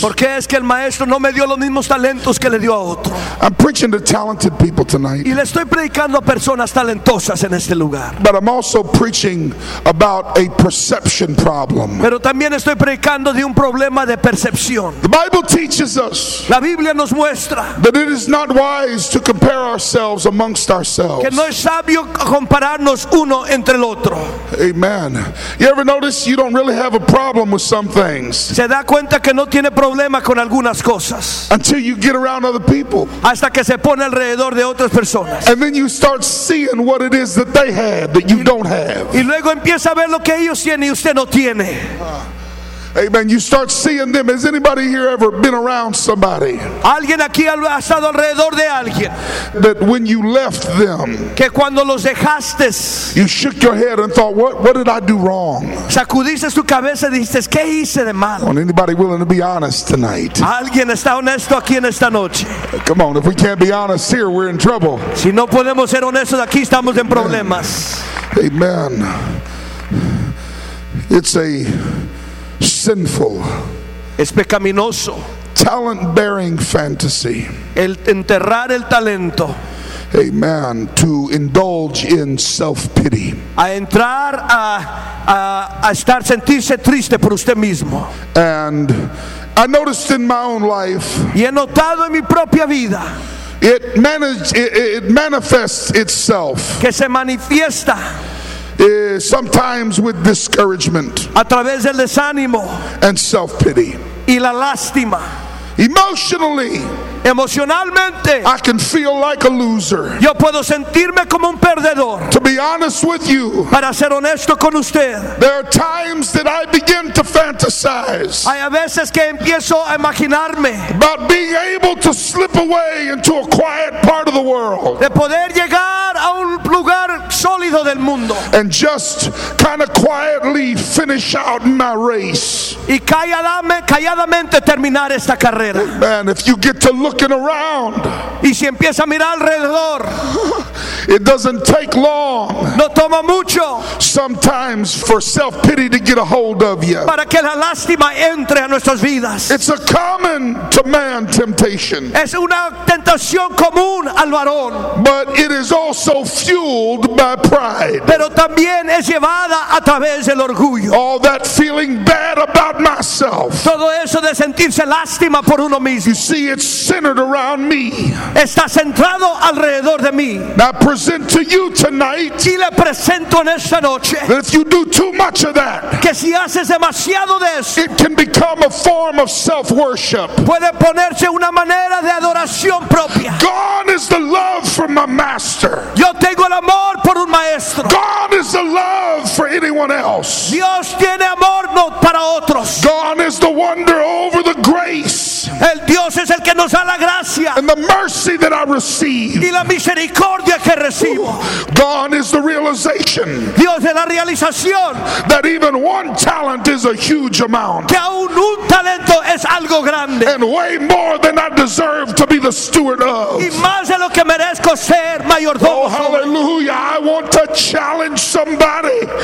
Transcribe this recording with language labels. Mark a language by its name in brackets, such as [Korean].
[Spanish] ¿Por qué es que el maestro no me dio los mismos talentos que le dio a otro? [English] I'm preaching to talented people tonight. [Spanish] Y le estoy predicando a personas talentosas en este lugar. [English] But I'm also preaching about a perception problem. [Spanish] Pero también estoy predicando de un problema de percepción. [English] The Bible teaches us. [Spanish] La Biblia nos muestra. [English] That it is not wise to compare ourselves amongst ourselves. [Spanish] Que no es sabio compararnos uno entre el otro. [English] Amen. You ever notice you don't really have a problem with some things? [Spanish] Se da cuenta que no tiene problema con algunas cosas. [English] Until you get around other people. [Spanish] Hasta que se pone alrededor de otras personas. [English] And then you start seeing what it is that they have that you don't have. [Spanish] Y luego empieza a ver lo que ellos tienen y usted no tiene. [English] Amen. You start seeing them. Has anybody here ever been around somebody? [Spanish] Alguien aquí ha estado alrededor de alguien. [English] That when you left them, [Spanish] que cuando los dejaste, [English] you shook your head and thought, what did I do wrong? [Spanish] Sacudiste tu cabeza y dijiste, ¿qué hice de mal? [English] Well, anybody willing to be honest tonight? [Spanish] Alguien está honesto aquí en esta noche. [English] Come on, if we can't be honest here, we're in trouble. [Spanish] Si no podemos ser honestos aquí, estamos en problemas. [English] Amen. It's a sinful, [Spanish] es pecaminoso, [English] talent-bearing fantasy. [Spanish] El enterrar el talento. [English] amen, to indulge in self-pity. [Spanish] A entrar a estar sentirse triste por usted mismo. [English] And I noticed in my own life. [Spanish] Y he notado en mi propia vida. [English] It manifests itself. [Spanish] Que se manifiesta. [English] Sometimes with discouragement. [Spanish] A través del desánimo. [English] And self-pity. [Spanish] Y la lástima. [English] Emotionally, [Spanish] emocionalmente, [English] I can feel like a loser. [Spanish] Yo puedo sentirme como un perdedor. [English] To be honest with you, [Spanish] para ser honesto con usted, [English] there are times that I begin to fantasize. [Spanish] Hay a veces que empiezo a imaginarme [English] about being able to slip away into a quiet part of the world. [Spanish] De poder llegar a un lugar sólido del mundo. [English] And just kind of quietly finish out my race. [Spanish] Y calladamente terminar esta carrera. [English] Man, if you get to looking around, [Spanish] y si empieza a mirar alrededor, [English] it doesn't take long. [Spanish] No toma mucho. [English] Sometimes for self-pity to get a hold of you. [Spanish] Para que la lástima entre a nuestras vidas. [English] It's a common to man temptation. [Spanish] Es una tentación común al varón. [English] But it is also fueled by pride. [Spanish] Pero también es llevada a través del orgullo. [English] All that feeling bad about myself. [Spanish] Todo eso de sentirse lástima por uno mismo. [English] You see, it's centered around me. [Spanish] Está centrado alrededor de mí. [English] Now, present to you tonight. [Spanish] Y le presento en esta noche. [English] That if you do too much of that, [Spanish] que si haces demasiado de eso, [English] it can become a form of self-worship. [Spanish] Puede ponerse una manera de adoración propia. [English] Gone is the love for my master. [Spanish] Yo tengo el amor por un maestro. [English] Gone is the love for anyone else. [Spanish] Dios tiene amor no para otros. [English] Gone is the wonder over the grace. [Spanish] El Dios es el que nos da la gracia. [English] And the mercy that I receive. [Spanish] Y la misericordia que recibo. [English] Gone is the realization. [Spanish] Dios es la realización. [English] That even one talent is a huge amount. [Spanish] Que aún un talento es algo grande. [English] And way more than I deserve to be the steward of. [Spanish] Y más de lo que merezco ser mayordomo. [English] Oh, hallelujah. I want to challenge somebody.